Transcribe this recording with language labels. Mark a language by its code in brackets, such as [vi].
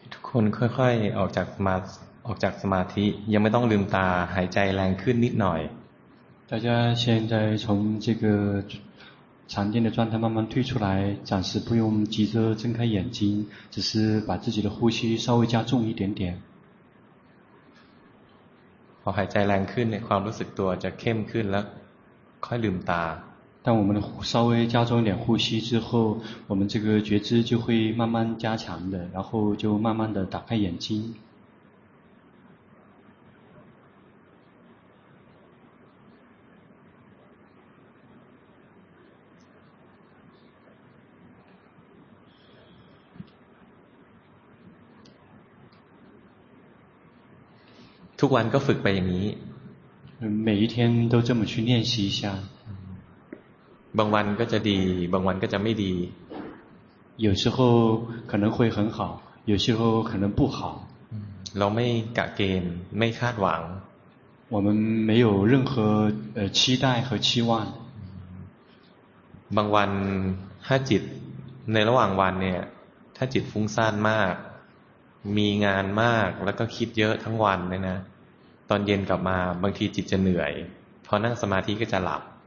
[th] คนค่อยๆออกจากสมาธิยังไม่ต้องลืมตาหายใจแรงขึ้นนิดหน่อย [zh] 大家现在从这个禅定的状态慢慢退出来，暂时不用急着睁开眼睛，只是把自己的呼吸稍微加重一点点。 [th] พอหายใจแรงขึ้นเนี่ยความรู้สึกตัวจะเข้มขึ้นแล้วค่อยลืมตา [zh] 当我们的稍微加重一点呼吸之后，我们这个觉知就会慢慢加强的，然后就慢慢的打开眼睛。 [th] ทุกวันก็ฝึกไปอย่างนี้ [zh] 每一天都这么去练习一下 [th] บางวันก็จะดีบางวันก็จะไม่ดี [zh] 有时候可能会很好有时候可能不好 [th] เราไม่กะเกณฑ์ไม่คาดหวัง [zh] 我们没有任何期待和期望 [th] บางวันถ้าจิตในระหว่างวันเนี่ยถ้าจิตฟุ้งซ่านมากมีงานมากแล้วก็คิดเยอะทั้งวันเลยนะตอนเย็นกลับมาบางทีจิตจะเหนื่อยพอนั่งสมาธิก็จะหลับ